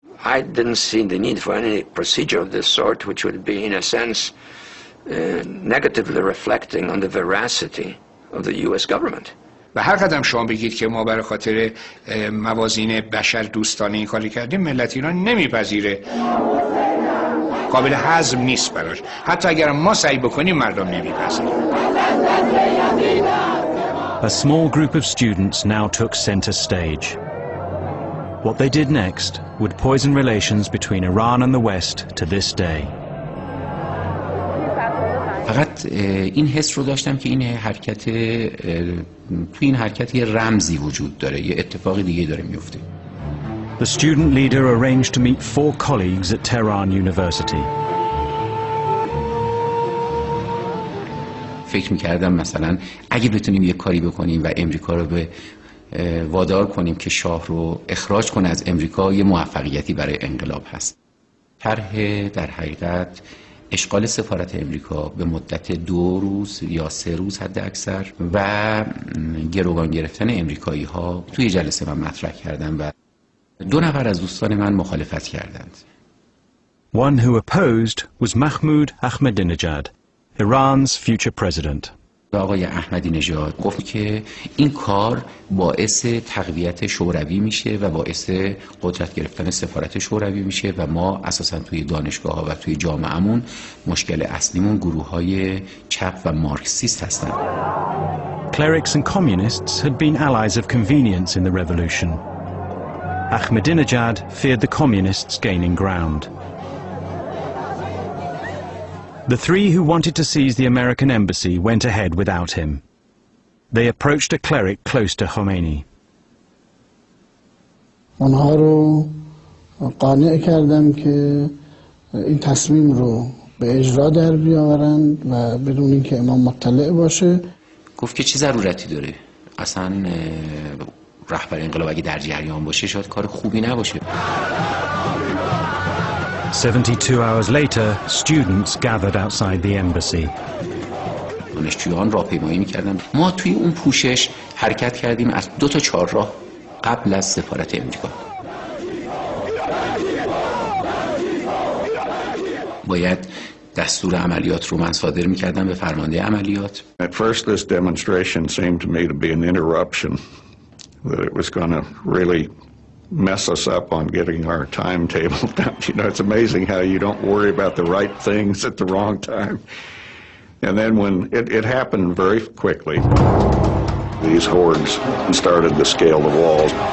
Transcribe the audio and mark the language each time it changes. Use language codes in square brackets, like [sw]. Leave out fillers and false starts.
[en] I didn't see the need for any procedure of this sort, which would be in a sense negatively reflecting on the veracity of the US government. [fa] و هر قدم شما بگید که ما برای خاطر موازین بشر دوستانه این کاری کردیم، ملت ایران نمیپذیره. قابل هضم نیست براش. حتی اگر ما سعی بکنیم مردم نمیپذیرن. [en] A small group of students now took center stage. What they did next would poison relations between Iran and the West to this day. [fa] فقط این حس رو داشتم که این حرکت یه رمزی وجود داره، یه اتفاق دیگه داره میفته. [en] The student leader arranged to meet four colleagues at Tehran University. [fa] فکر میکردم مثلا اگه بتونیم یه کاری بکنیم و امریکا رو به وادار کنیم که شاه رو اخراج کنه از امریکا، یه موفقیتی برای انقلاب هست. طرح در حقیقت اشغال سفارت امریکا به مدت 2 روز یا 3 روز حد اکثر و گروگان گرفتن امریکایی ها توی جلسه من مطرح کردم و 2 نفر از دوستان من مخالفت کردند. [en] One who opposed was Mahmoud Ahmadinejad, Iran's future president. [fa] آقای احمدی نژاد گفت که این کار باعث تقویت شوروی میشه و باعث قدرت گرفتن سفارت شوروی میشه و ما اساسا توی دانشگاه ها و توی جامعهمون مشکل اصلیمون گروه های چپ و مارکسیست هستن. [en] Clerics and communists had been allies of convenience in the revolution. Ahmadinejad feared the communists gaining ground. The three who wanted to seize the American embassy went ahead without him. They approached a cleric close to Khomeini. [fa] آنها رو قانع کردم که این تصمیم رو به اجرا در بیاورند و بدون اینکه امام مطلع باشه. گفت که چه ضرورتی داره؟ اصلا رهبر انقلاب اگه در جریان باشه شاید کار خوبی نباشه. [en] 72 hours later, students gathered outside the embassy. [fa] دانشجویان راهپیمایی می‌کردند. ما توی اون پوشش حرکت کردیم از 2 تا 4 راه قبل از سفارت امریکا. باید دستور عملیات رو من صادر می‌کردم به فرمانده عملیات. [en] At first this demonstration seemed to me to be an interruption, that it was going to really mess us up on getting our timetable down. You know, it's amazing how you don't worry about the right things at the wrong time. And then when it happened very quickly, these hordes started to scale the walls.